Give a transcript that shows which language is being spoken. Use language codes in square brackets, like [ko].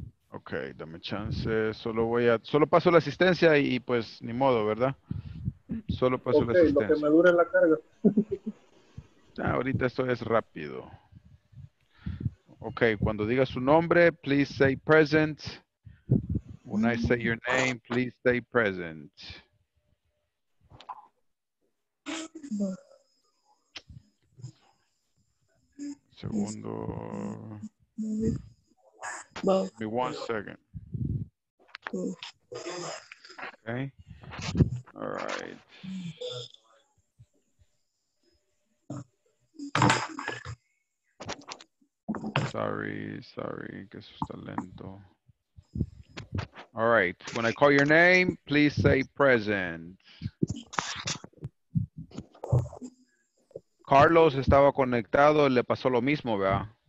[es] Ok, dame chance, solo paso la asistencia y pues ni modo, ¿verdad? Solo paso la asistencia. Ok, lo que me dure la carga. Ahorita esto es rápido. Ok, cuando diga su nombre, [en] please say present. When I say your name, please say present. [es] Segundo. [en] Give me 1 second. Okay. All right. Sorry, [es] que eso está lento. [en] All right. When I call your name, please say present. [es] Carlos estaba conectado, le pasó lo mismo, ¿verdad?